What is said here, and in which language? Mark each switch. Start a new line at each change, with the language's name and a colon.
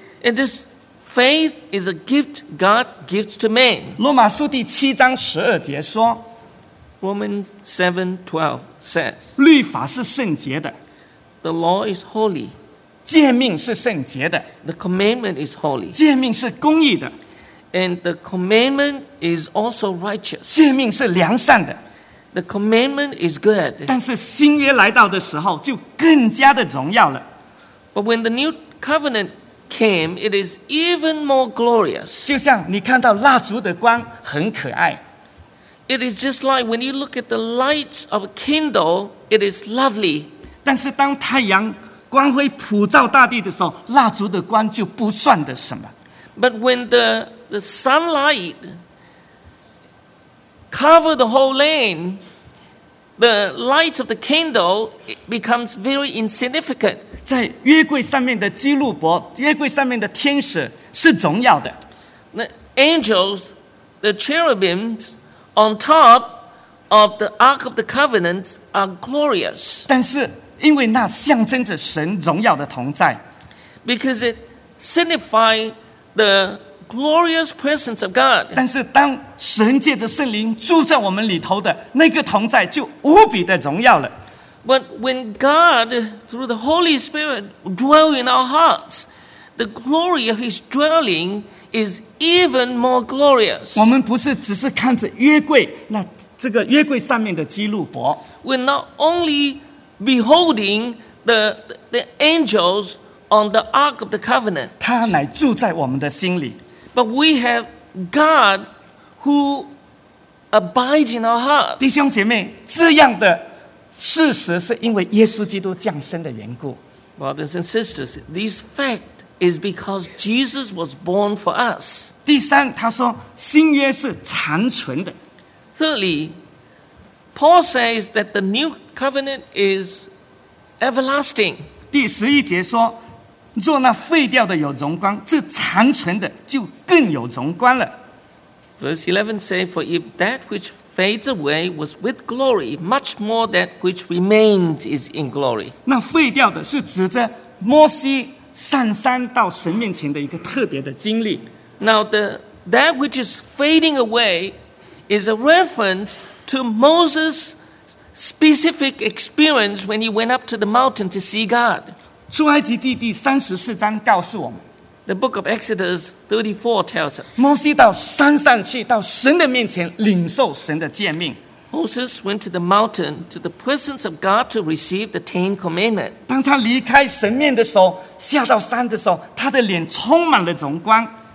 English: And this faith is a gift God gives to man.
Chinese: 罗马书第七章十二节说
English: ,Romans 7:12 says,
Chinese: 律法是圣洁的。
English: The law is holy.
Chinese: 诫命是圣洁的。
English: The commandment is holy.
Chinese: 诫命是公义的。
English: And the commandment is also righteous.
Chinese: 诫命是良善的。
English: The commandment is good.
Chinese: 但是新约来到的时候就更加的荣耀了。
English: But when the new covenant came, it is even more glorious.
Chinese: 就像你看到蜡烛的光很可爱。
English: It is just like when you look at the lights of a candle, it is lovely.
Chinese: 但是当太阳光辉普照大地的时候，蜡烛的光就不算的什么。
English: But when the sunlight covers the whole land, the light of the candle becomes very insignificant.
Chinese: 在约柜上面的基路伯，约柜上面的天使是重要的。
English: The angels, the cherubims on top of the Ark of the Covenant are glorious.
Chinese: 但是因为那象征着神荣耀的同在。
English: Because it signifies the glorious presence of God.
Chinese: 但是当神借着圣灵住在我们里头的那个同在就无比的荣耀了。
English: But when God, through the Holy Spirit, dwells in our hearts, the glory of His dwelling is even more glorious.
Chinese: 我们不是只是看着约柜，那这个约柜上面的基路伯。
English: We're not only beholding the angels on the Ark of the Covenant.
Chinese: 他乃住在我们的心里。
English: But we have God who abides in our hearts.
Chinese: 弟兄姐妹，这样的事实是因为耶稣基督降生的缘故。
English: Brothers and sisters, this fact is because Jesus was born for us.
Chinese: 第三，他说新约是长存的。
English: Thirdly, Paul says that the new covenant is everlasting.
Chinese: 第十一节说，若那废掉的有荣光，这长存的就更有荣光了。
English: Verse 11 says, For if that which fades away was with glory, much more that which remains is in glory.
Chinese: 那废掉的是指着摩西上山到神面前的一个特别的经历。
English: Now that which is fading away is a reference to Moses' specific experience when he went up to the mountain to see God.
Chinese: 出埃及记第三十四章告诉我们。
English: The book of Exodus 34 tells us.
Chinese: 摩西到山上去，到神的面前领受神的诫命。
English: Moses went to the mountain to the presence of God to receive the Ten Commandments.
Chinese: 当他离开神面的时候，下到山的时候，他的脸充满了荣光。